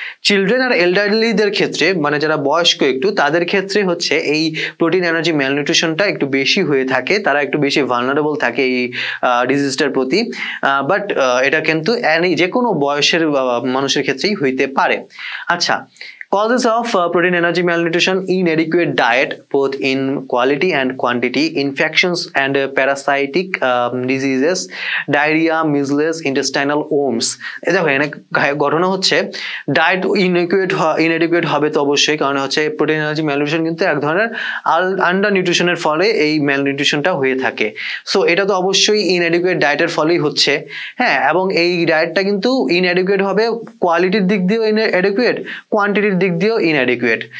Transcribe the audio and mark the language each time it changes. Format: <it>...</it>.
<bn>Children are এল্ডারলিদের ক্ষেত্রে, মানে যারা বয়স্ক একটু, তাদের ক্ষেত্রে হচ্ছে এই প্রোটিন এনার্জি ম্যালনিউট্রিশনটা একটু বেশি হয়ে থাকে, তারা একটু বেশি ভালনারেবল থাকে এই ডিজিজটার প্রতি। বাট এটা কিন্তু এনি, যে কোনো বয়সের মানুষের ক্ষেত্রেই হইতে পারে।</bn> <en>আচ্ছা, causes of protein energy malnutrition: inadequate diet both in quality and quantity, infections and parasitic diseases, diarrhea, measles, intestinal worms.</en> <bn>দেখো, এখানে ঘটনা হচ্ছে ডায়েট ইনএডিকুয়েট হবে তো অবশ্যই, কারণ হচ্ছে প্রোটিন এনার্জি ম্যালনিউট্রিশন কিন্তু এক ধরনের আন্ডার নিউট্রিশনের ফলে এই ম্যালনিউট্রিশনটা হয়ে থাকে। সো এটা তো অবশ্যই ইনএডিকুয়েট ডায়েটের ফলেই হচ্ছে। হ্যাঁ, এবং এই ডায়েটটা কিন্তু ইনএডিকুয়েট হবে কোয়ালিটির দিক দিয়েও ইনএডিকুয়েট, কোয়ান্টিটির দিক দিয়েও ইনএডিকুয়েট।</bn>